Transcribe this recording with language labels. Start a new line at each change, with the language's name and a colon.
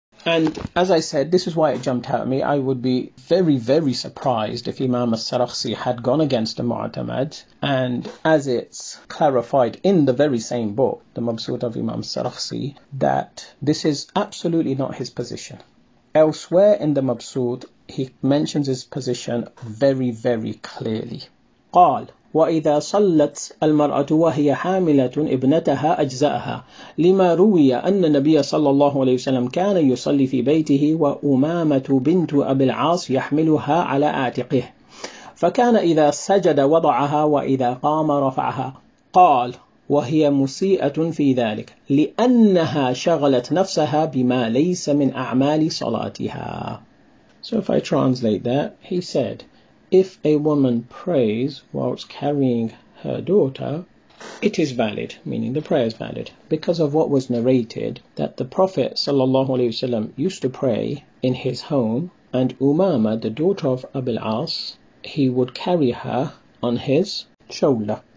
English: And as I said, this is why it jumped out at me. I would be very, very surprised if Imam al-Sarakhsi had gone against the Mu'tamad. And as it's clarified in the very same book, the Mabsut of Imam al-Sarakhsi, that this is absolutely not his position. Elsewhere in the Mabsut, he mentions his position very, very clearly.
Arabic: قال وإذا صلت المرأة وهي حاملة ابنتها أجزأها لما روي أن النبي صلى الله عليه وسلم كان يصلي في بيته وأمامة بنت أبي العاص يحملها على عاتقه فكان إذا سجد وضعها وإذا قام رفعها قال وهي مسيئة في ذلك لأنها شغلت نفسها بما ليس من أعمال صلاتها.
English: So if I translate that, he said, if a woman prays whilst carrying her daughter, it is valid, meaning the prayer is valid, because of what was narrated, that the Prophet ﷺ used to pray in his home, and Umama, the daughter of Abu al-As, he would carry her on his shoulder.